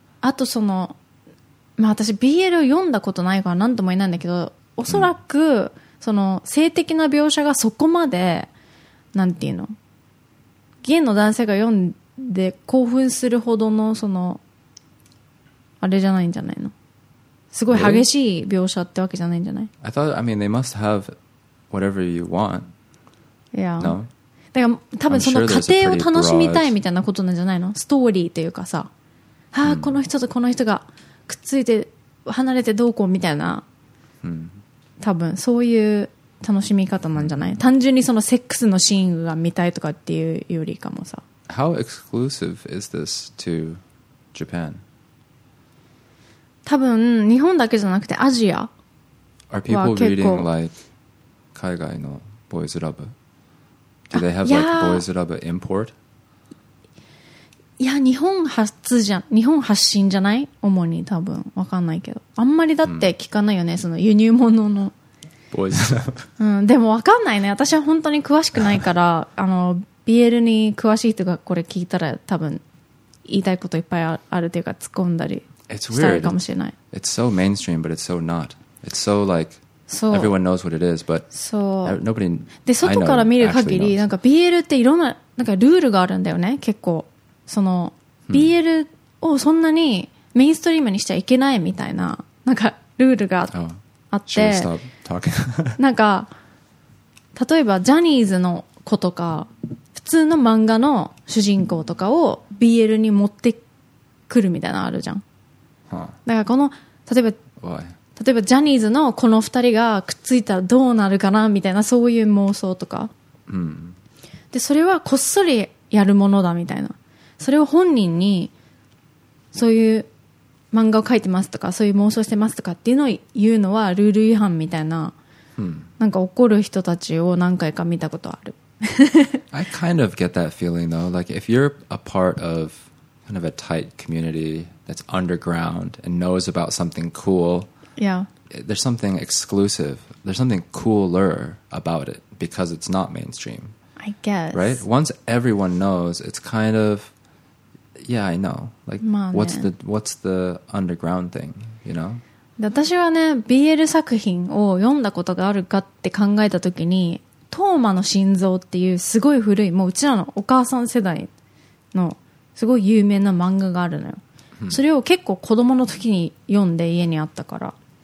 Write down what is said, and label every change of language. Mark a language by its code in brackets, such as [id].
[ja] あとそのまあ、私 BL を読んだことないから何とも言えないんだけど、おそらくその性的な描写がそこまでなんていうの、ゲイの男性が読んで興奮するほどのそのあれじゃないんじゃないの、すごい激しい描写ってわけじゃないんじゃない。 [en] I thought, I mean, they must have whatever you want. Yeah. No? [ja] だから多分その過程を楽しみたいみたいなことなんじゃないの、ストーリーっていうかさ、はあ、この人とこの人がくっついて離れてどうこうみたいな、多分そういう楽しみ方なんじゃない、単純にそのセックスのシーンが見たいとかっていうよりかもさ。 [en] How exclusive is this to Japan? [ja] 多分日本だけじゃなくてアジアは結構。 [en] Are people reading like [ja] 海外のボーイズラブ? [en] Do they have like ボーイズラブ import? [ja] いや日本発じゃん、日本発信じゃない、主に多分分かんないけど、あんまりだって聞かないよね、その輸入物のボーイズラブ。でも分かんないね、私は本当に詳しくないから。あの BL に詳しい人がこれ聞いたら多分言いたいこといっぱいあるというか突っ込んだりしたいかもしれない。 [en] It's so mainstream but it's so not. It's so like everyone knows what it is but nobody [ja] で外から見る限りなんか BL っていろんな、 なんかルールがあるんだよね、結構その BL をそんなにメインストリームにしちゃいけないみたいななんかルールがあって、なんか例えばジャニーズの子とか普通の漫画の主人公とかを BL に持ってくるみたいなのあるじゃん、 huh. だからこの例えば、 [en] Why? [ja] 例えばジャニーズのこの二人がくっついたらどうなるかなみたいなそういう妄想とか、 mm. でそれはこっそりやるものだみたいな、それを本人にそういう漫画を描いてますとかそういう妄想してますとかっていうのを言うのはルール違反みたいな、 hmm. なんか怒る人たちを何回か見たことある。 [en] I kind of get that feeling though. Like if you're a part of kind of a tight community that's underground and knows about something cool, yeah, there's something exclusive. There's something cooler about it because it's not mainstream. I guess. Right? Once everyone knows, it's kind of, yeah, I know. Like, what's the underground thing, you know? [ja] 私はね、BL 作品を読んだことがあるかって考えたときに、トーマの心臓っていうすごい古い、もううちらのお母さん世代のすごい有名な漫画があるのよ。それを結構子供の時に読んで家にあったから。